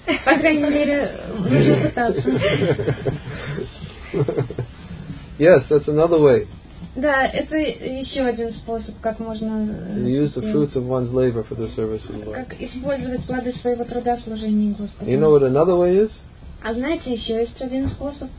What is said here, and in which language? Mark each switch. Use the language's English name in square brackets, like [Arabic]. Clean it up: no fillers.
[Russian] По крайней мере, нужно пытаться. [English] Yes, that's another way. [Russian] Да, это еще один способ, как можно. [English] Use the fruits of one's labor for the service of the Lord. [Russian] Как использовать плоды своего труда в служении Господу. [English] You know what another way is? [Russian] А знаете, еще есть один способ.